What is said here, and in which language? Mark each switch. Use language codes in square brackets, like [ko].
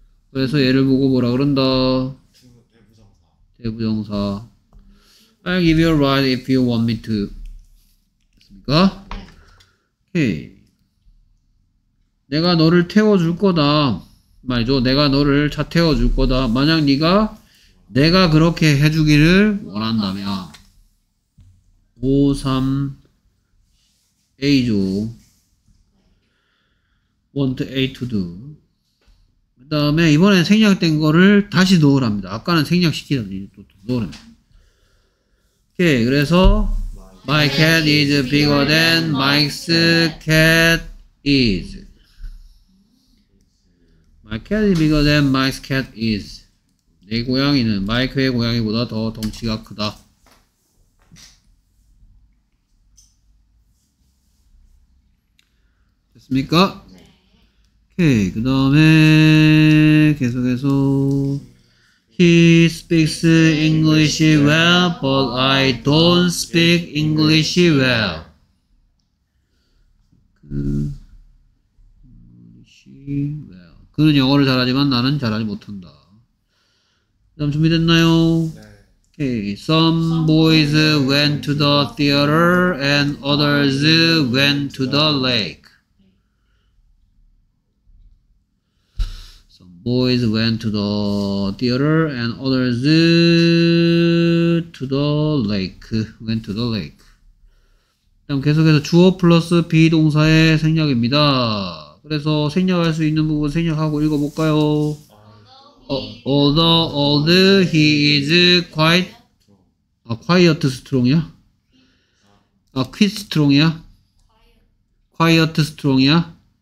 [ko] 그래서 얘를 보고 뭐라 그런다? 대부정사. [en] I'll give you a ride if you want me to. [ko] 됐습니까? 오케이. 내가 너를 태워줄 거다. 말이죠. 내가 너를 차 태워줄 거다. 만약 네가 내가 그렇게 해주기를 원한다면. 5, 3, A죠. [en] Want A to do. [ko] 그 다음에 이번에 생략된 거를 다시 넣으랍니다. 아까는 생략시키더니 또 넣으랍니다. 오케이. [en] 그래서 my cat is bigger than Mike's cat is. My cat is bigger than Mike's cat is. [ko] 내 고양이는 마이크의 고양이보다 더 덩치가 크다. 됐습니까? 오케이. 그 다음에 계속해서 [en] He speaks English well, but I don't speak English well. English well. [ko] 그는 영어를 잘하지만 나는 잘하지 못한다. 다음 준비됐나요? 오케이. [en] Some boys went to the theater and others went to the lake. Boys went to the theater and others to the lake. Went to the lake. [ko] 그럼 계속해서 주어 플러스 be 동사의 생략입니다. 그래서 생략할 수 있는 부분 생략하고 읽어볼까요? [en] Although old, he is quiet strong이야? 아, quit strong이야? Quiet strong이야?